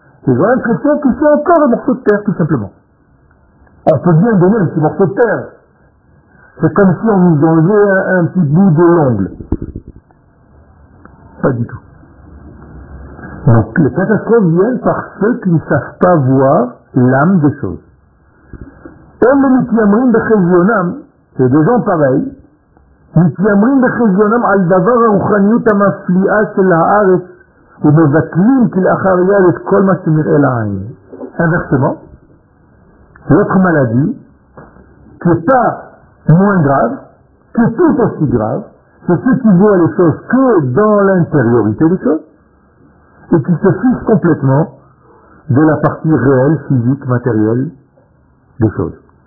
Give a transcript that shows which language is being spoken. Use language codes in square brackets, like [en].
[fr] Ils ont l'impression que c'est encore un morceau de terre, tout simplement. On peut bien donner un petit morceau de terre. C'est comme si on nous enlevait un petit bout de l'ongle. Pas du tout. Donc, les catastrophes viennent par ceux qui ne savent pas voir l'âme des choses. C'est des gens pareils. [he] מתיימרים בחזיונם על דבר הרוחניות המפליאה של הארץ ומבטלים כלאחר יד את כל מה שמראה לעין. [fr] Inversement, l'autre maladie, qui n'est pas moins grave, qui est tout aussi grave, c'est ceux qui voient les choses que dans l'intériorité des choses et qui se fichent complètement de la partie réelle, physique, matérielle des choses.